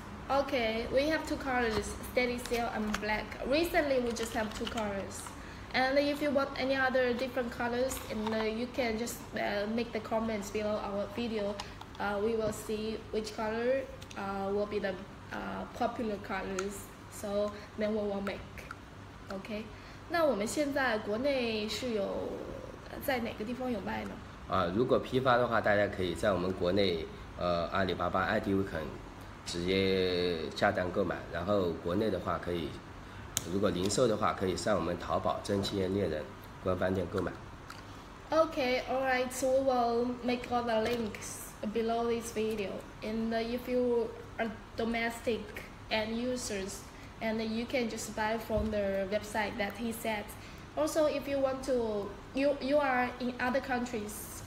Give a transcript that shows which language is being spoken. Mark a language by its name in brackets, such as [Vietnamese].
[English] Okay, we have two colors, stainless steel and black. Recently, we just have two colors. And if you want any other different colors, you can just make the comments below our video. We will see which color will be the popular colors. So then we will make. Okay. [Chinese] 那我们现在国内是有在哪个地方有卖呢？如果批发的话，大家可以在我们国内阿里巴巴、Advken直接下单购买，然后国内的话可以，如果零售的话可以上我们淘宝蒸汽猎人官方店购买。 [English] Okay, alright, so we will make all the links below this video. And if you are domestic end users, and you can just buy from the website that he said. Also, if you want to, you are in other countries.